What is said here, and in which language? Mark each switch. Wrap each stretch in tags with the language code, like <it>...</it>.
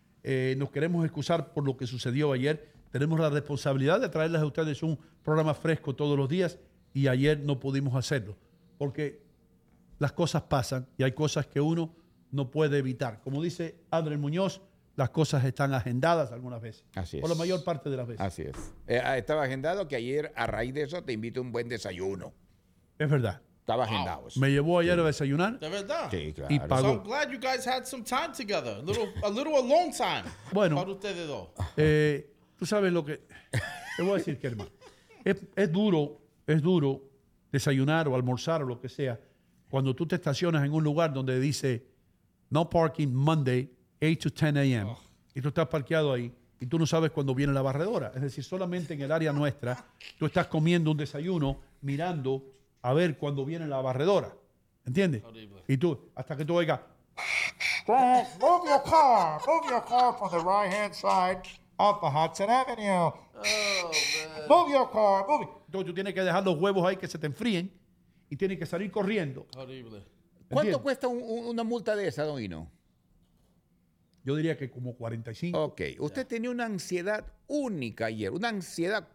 <es>Nos queremos excusar por lo que sucedió ayer. Tenemos la responsabilidad de traerles a ustedes un programa fresco todos los días y ayer no pudimos hacerlo porque las cosas pasan y hay cosas que uno no puede evitar. Como dice André Muñoz, las cosas están agendadas algunas veces. Así es. O la mayor parte de las veces. Así es. Estaba agendado que ayer, a raíz de eso, te invito a un buen desayuno. Es verdad. Estaba agendado. Wow. Me llevó ayer a desayunar. De verdad. Sí, claro. Y pagó.</es> <en>So I'm glad you guys had some time together. A little alone time.</en> <es>Bueno. Para ustedes dos. Tú sabes lo que... Te voy a decir que, hermano, es duro desayunar o almorzar o lo que sea cuando tú te estacionas en un lugar donde dice</es> <en>no parking Monday 8 to 10 a.m.</en> <es>Oh. Y tú estás parqueado ahí y tú no sabes cuándo viene la barredora. Es decir, solamente en el área nuestra tú estás comiendo un desayuno mirando a ver cuándo viene la barredora. ¿Entiendes? Horrible. Y tú, hasta que tú oigas...</es> <en>Move your car to the right-hand side. Off the Hudson Avenue. Oh, man. Move your car, move it.</en> <es>Entonces tú tienes que dejar los huevos ahí que se te enfríen y tienes que salir corriendo. Horrible. ¿Cuánto ¿Entiendes? Cuesta una multa de esa, don Hino? Yo diría que como 45. Ok. Usted tenía una ansiedad única ayer. Una ansiedad.</es>